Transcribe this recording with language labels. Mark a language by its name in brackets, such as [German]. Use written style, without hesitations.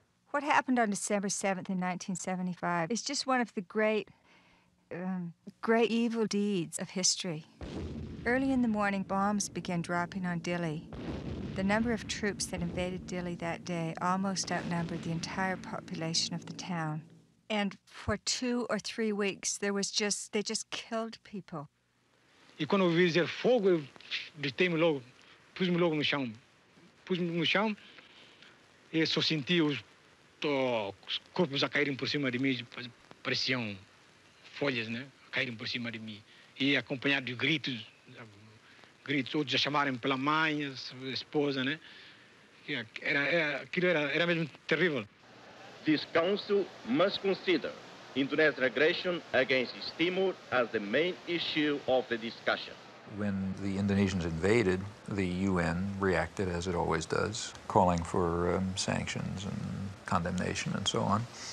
[English] What happened on December 7th in 1975 is just one of the great, great evil deeds of history. Early in the morning, bombs began dropping on Dili. The number of troops that invaded Dili that day almost outnumbered the entire population of the town. And for 2 or 3 weeks, there was just, they just killed people. [Portuguese] E quando eu vi dizer fogo, eu deitei-me logo, pus-me logo no chão. Pus-me no chão e só senti os corpos a caírem por cima de mim, pareciam folhas, né? caíram por cima de mim. E acompanhado de gritos, gritos, outros já chamaram pela mãe, a esposa, né? Aquilo era mesmo terrível. [English] This council must consider Indonesian aggression against Timor as the main issue of the discussion. When the Indonesians invaded, the UN reacted as it always does, calling for sanctions and condemnation and so on.